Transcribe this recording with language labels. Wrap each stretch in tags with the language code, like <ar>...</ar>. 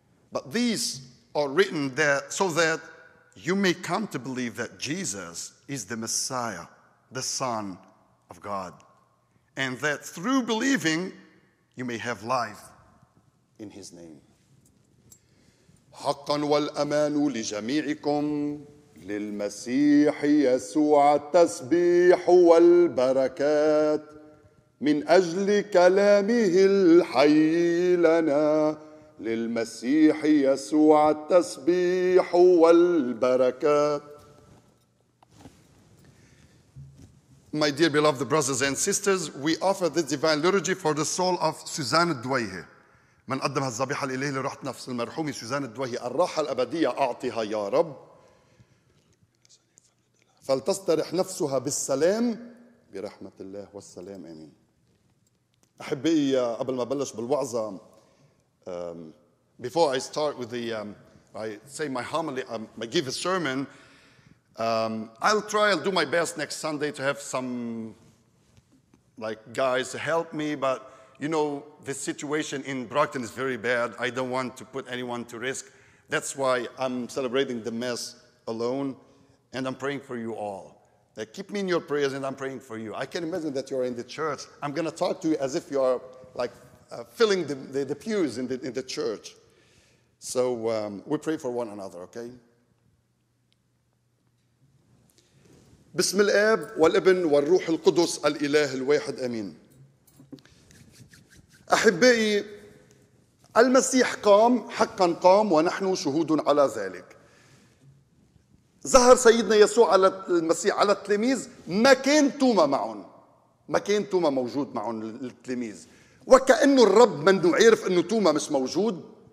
<en>But these are written there so that you may come to believe that Jesus is the Messiah, the Son of God, and that through believing you may have life in his name.</en> <ar>حقا والأمان لجميعكم للمسيح يسوع التسبيح والبركات من أجل كلامه الحي لنا للمسيح يسوع التسبيح والبركات.</ar> <en>My dear beloved brothers and sisters, we offer this divine liturgy for the soul of Suzanne Dwayhe.</en> <ar>من قدمها الذبيحة لإله لروح نفس المرحومة سوزان الدويهي الراحة الأبدية أعطيها يا رب فلتسترح نفسها بالسلام برحمة الله والسلام آمين. أحبائي قبل ما بلش بالوعظة</ar> <en>before I start with the I say my homily I give a sermon I'll do my best next Sunday to have some like guys to help me but you know the situation in Brockton is very bad I don't want to put anyone to risk that's why I'm celebrating the mass alone. And I'm praying for you all. Keep me in your prayers, and I'm praying for you. I can imagine that you're in the church. I'm going to talk to you as if you are like filling the pews in the church. So we pray for one another, okay?</en> <ar>بسم الآب والابن والروح القدس الإله الواحد أمين. أحبائي المسيح قام حقا قام ونحن شهود على ذلك. ظهر سيدنا يسوع على المسيح على التلاميذ ما كان توما معهم ما كان توما موجود معهم التلاميذ وكأنه الرب من يعرف أنه توما مش موجود</ar>